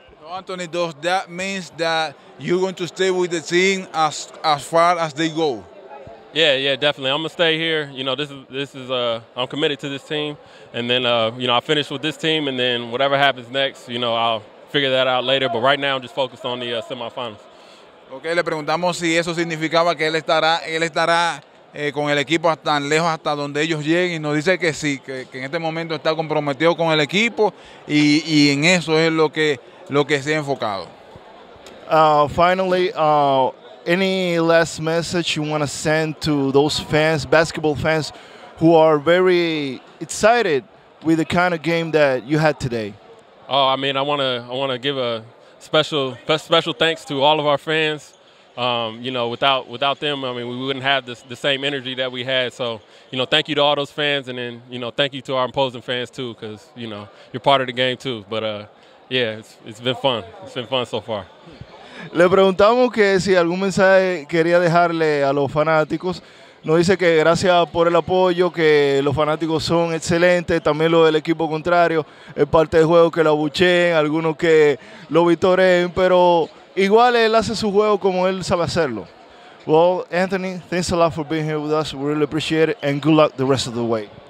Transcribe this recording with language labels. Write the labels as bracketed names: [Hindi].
[English] Anthony, does that means that you're going to stay with the team as far as they go? Yeah, definitely. I'm gonna stay here. You know, I'm committed to this team, and then you know, I finish with this team, and then whatever happens next, you know, I'll figure that out later. But right now, I'm just focused on the semifinals. [Spanish] Okay, le preguntamos si eso significaba que él estará con el equipo tan lejos hasta donde ellos lleguen. Y nos dice que sí, que en este momento está comprometido con el equipo, y en eso es lo que se ha enfocado. [English] Finally, any last message you want to send to those fans, basketball fans, who are very excited with the kind of game that you had today? Oh, I mean, I want to give a special thanks to all of our fans. You know, without them, I mean, we wouldn't have the same energy that we had. So, you know, thank you to all those fans, and then, you know, thank you to our opposing fans too, because, you know, you're part of the game too. But yeah, it's been fun. It's been fun so far. [Spanish] Le preguntamos que si algún mensaje quería dejarle a los fanáticos, nos dice que gracias por el apoyo, que los fanáticos son excelentes, también lo del equipo contrario, es parte del juego que lo abucheen, algunos que lo vitoreen, pero igual él hace su juego como él sabe hacerlo. [English] Well, Anthony, thanks a lot for being here with us. We really appreciate it, and good luck the rest of the way.